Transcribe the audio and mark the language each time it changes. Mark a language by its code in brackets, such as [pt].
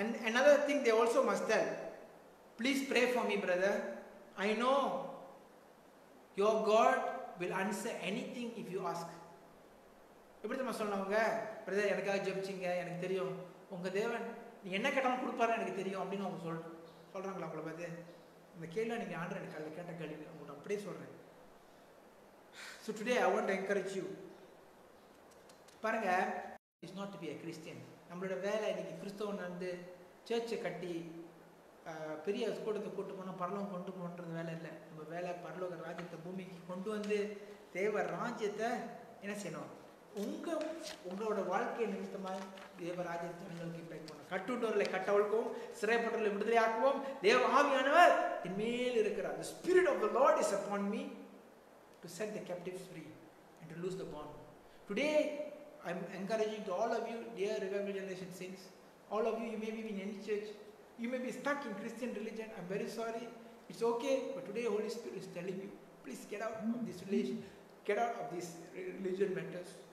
[en] Another thing they also must tell, please pray for me brother, I know your God will answer anything if you ask. [ta] எப்படி தான் சொல்லுவாங்க? Brother எனக்காக ஜெபிச்சிங்க, எனக்கு தெரியும் உங்கள் தேவன் நீ என்ன கேட்டாலும் கொடுப்பாரு எனக்கு தெரியும் அப்படின்னு அவங்க சொல்கிறாங்களா உங்களை பார்த்து? இந்த கேள்வி நீங்கள் ஆண்டு எனக்கு அதில் கேட்ட கேள்வி அவங்கள்ட்ட அப்படியே சொல்கிறேன். [en] So today I want to encourage you. [ta] பாருங்கள், [en] It's not to be a Christian. [ta] நம்மளோட வேலை இன்னைக்கு கிறிஸ்தவன் வந்து சர்ச்சை கட்டி பெரிய கூட்டத்தை கூட்டு போனால் பரலோகம் கொண்டு போகணுன்றது வேலை இல்லை. நம்ம வேலை பரலோக ராஜ்யத்தை பூமிக்கு கொண்டு வந்து தேவ ராஜ்யத்தை என்ன செய்யணும், உங்களோட வாழ்க்கை நிமித்தமாக தேவ ராஜ்யத்தை உங்களுக்கு இம்பேக்ட் பண்ணும். கட்டுண்டோர்களை கட்டவழ்க்கவும் சிறைப்பட்டோர்களை விடுதலையாக்குவோம். தேவ ஆவியானவர் இனிமேல் இருக்கிறார். [en] The Spirit of the Lord is upon me to set the captives free and to loose the band. Today I'm encouraging to all of you, dear Revival Generation saints, all of you, you may be in any church, you may be stuck in Christian religion, I'm very sorry, it's okay, but today Holy Spirit is telling you, please get out of this religion, get out of this religion matters,